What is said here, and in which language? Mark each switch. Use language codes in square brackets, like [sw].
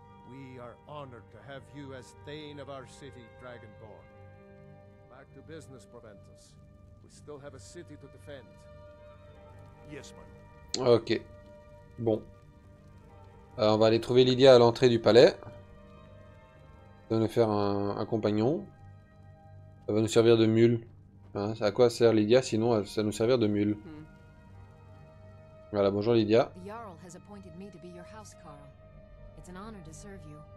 [en] We are honored to have you as Thane of our city, Dragonborn. Back to business, Proventus. We still have a city to defend. Yes, my lord. [fr] Ok. Bon. On va aller trouver Lydia à l'entrée du palais. Ça va nous faire un compagnon. Ça va nous servir de mule. Hein, à quoi sert Lydia sinon ça nous servir de mule. Voilà, bonjour Lydia. [en] The Jarl has appointed me to be your house, Carl. It's an honor to serve you.